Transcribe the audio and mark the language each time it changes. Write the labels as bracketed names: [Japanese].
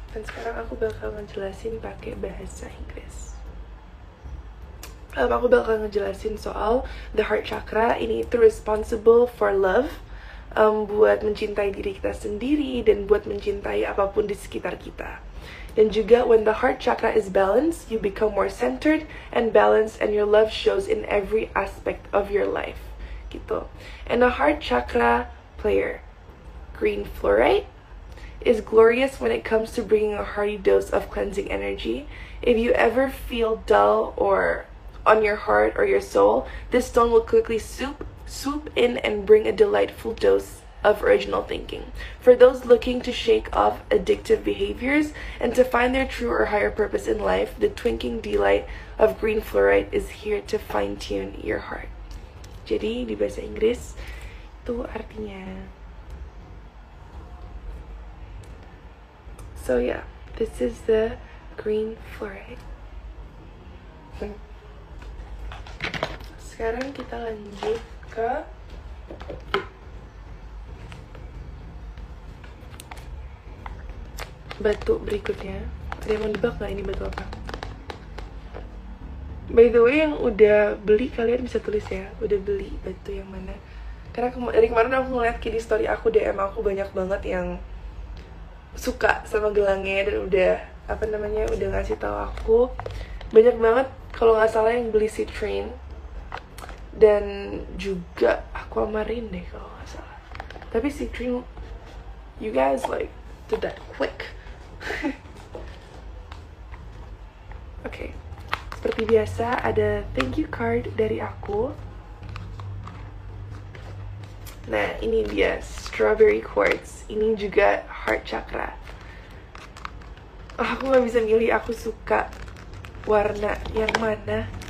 [Indonesian] Dan sekarang aku bakalan ngejelasin pakai bahasa Inggris. Aku bakalan ngejelasin soal [English] the heart chakra. [Indonesian] Ini itu [English] responsible for love. [Indonesian] Buat mencintai diri kita sendiri dan buat mencintai apapun di sekitar kita. Dan juga [English] when the heart chakra is balanced, you become more centered and balanced and your love shows in every aspect of your life. [Indonesian] Gitu. [English] And a heart chakra player, green fluorite, is glorious when it comes to bringing a hearty dose of cleansing energy. If you ever feel dull or on your heart or your soul, this stone will quickly swoop in and bring a delightful dose of original thinking. For those looking to shake off addictive behaviors and to find their true or higher purpose in life, the twinking delight of green fluorite is here to fine-tune your heart. [Indonesian] Jadi di bahasa Inggris itu artinya. [English] So yeah, this is the green fluorite. [Indonesian] Sekarang kita lanjut ke batu berikutnya. Ada yang mau dibak gak ini batu apa? [English] By the way, [Indonesian] yang udah beli kalian bisa tulis ya, udah beli batu yang mana. Karena dari kemarin aku ngeliat di story aku, DM aku banyak banget yang suka sama gelangnya dan udah apa namanya, udah ngasih tahu aku banyak banget kalau nggak salah yang beli Citrine dan juga Aquamarine deh kalau nggak salah. Tapi [English] Citrine, you guys like do that quick. [Indonesian] Okay, seperti biasa ada [English] thank you card [Indonesian] dari aku. Nah ini dia strawberry quartz, ini juga heart chakra. Aku gak bisa milih aku suka warna yang mana.